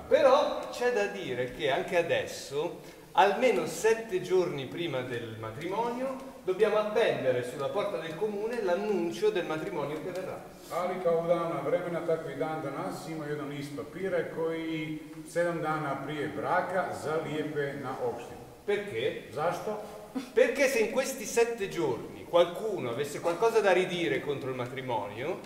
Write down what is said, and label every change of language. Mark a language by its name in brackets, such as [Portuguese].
[Italian] Però c'è da dire che anche adesso, almeno 7 giorni prima del matrimonio, dobbiamo appendere sulla porta del comune l'annuncio del matrimonio che verrà. [Serbian] Ali kao dana vremena, takvi dan danas ima jedan list papire koji 7 dana prije braka zalijepe na opštinu. [Italian] Perché? [Serbian] Zašto? [Italian] Perché se in questi 7 giorni qualcuno avesse qualcosa da ridire contro il matrimonio...